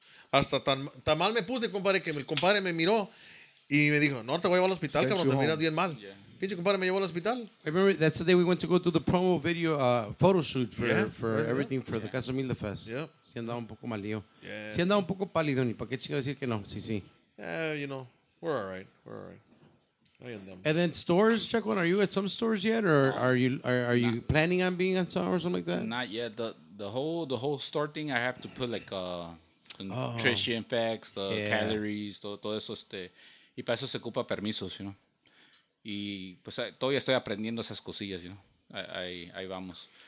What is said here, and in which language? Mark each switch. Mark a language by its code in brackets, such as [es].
[es] Hasta tan mal me puse, compadre, que el compadre me miró y me dijo, no, te voy a llevar al hospital, cabrón, te miras bien mal. Pinche compadre, me llevó al hospital. [en] I remember that's the day we went to go to the promo video, photo shoot for everything for the Casamilda Fest. Yeah. [es] Si andaba un poco malío. Si andaba un poco pálido, ni para qué chico decir que no, sí. [en] You know, we're all right. And then stores, Chacon, are you at some stores yet, or are you planning on being at some or something like that? Not yet. The whole store thing, I have to put like nutrition facts, calories, [es] todo eso. Y para eso se ocupa permisos, [en] you know. [es] Y pues todavía estoy aprendiendo esas cosillas, you know. Ahí vamos.